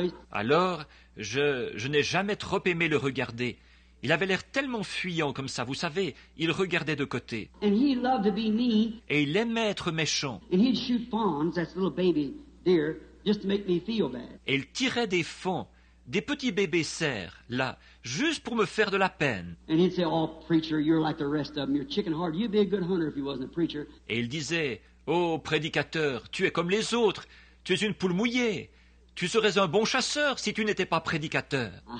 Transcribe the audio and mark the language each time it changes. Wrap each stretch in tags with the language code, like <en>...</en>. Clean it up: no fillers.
<fr>Alors, je n'ai jamais trop aimé le regarder. Il avait l'air tellement fuyant comme ça, vous savez, il regardait de côté.</fr> <en>And he loved to be mean.</en> <fr>Et il aimait être méchant.</fr> <en>And he'd shoot fawns, that's a little baby deer, just to make me feel bad.</en> <fr>Et il tirait des fawns, des petits bébés cerfs, là, juste pour me faire de la peine.</fr> <en>And he'd say, oh, preacher, you're like the rest of them, you're chicken hearted, you'd be a good hunter if you wasn't a preacher.</en> <fr>Et il disait, oh, prédicateur, tu es comme les autres, tu es une poule mouillée. Tu serais un bon chasseur si tu n'étais pas prédicateur.</fr>